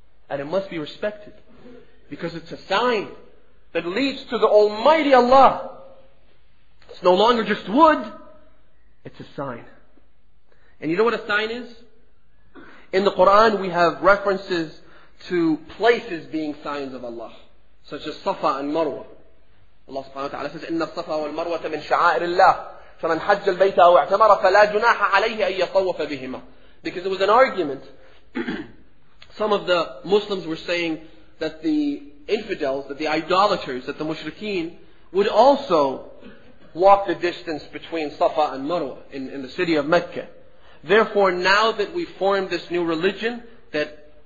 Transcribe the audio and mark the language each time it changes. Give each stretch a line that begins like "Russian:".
English: And it must be respected. Because it's a sign that leads to the Almighty Allah. It's no longer just wood. It's a sign. And you know what a sign is? In the Quran we have references to places being signs of Allah, such as Safa and Marwa.
Arabic: Allah subhanahu wa ta'ala says, إِنَّ الصَّفَا وَالْمَرْوَةَ مِنْ شَعَائِرِ اللَّهِ فَمَنْ حَجَّ الْبَيْتَ أَوْ اَعْتَمَرَ فَلَا جُنَاحَ عَلَيْهِ أَن يَطَوَّفَ بِهِمَا.
English: Because it was an argument. Some of the Muslims were saying that the infidels, that the idolaters, that the mushrikeen, would also walk the distance between Safa and Marwa in the city of Mecca. Therefore, now that we formed this new religion, that